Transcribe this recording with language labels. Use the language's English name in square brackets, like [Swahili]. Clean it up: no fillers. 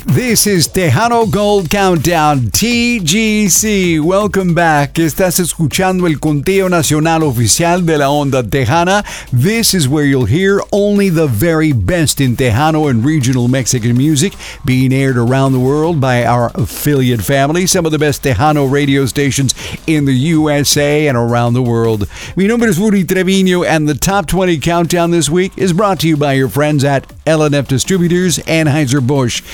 [English] This is Tejano Gold Countdown, TGC. Welcome back. [Spanish] Estás escuchando el conteo nacional oficial de la onda Tejana. [English] This is where you'll hear only the very best in Tejano and regional Mexican music being aired around the world by our affiliate family, some of the best Tejano radio stations in the USA and around the world. [Spanish] Mi nombre es [English] Rudy Treviño, and the Top 20 Countdown this week is brought to you by your friends at L&F Distributors, Anheuser-Busch.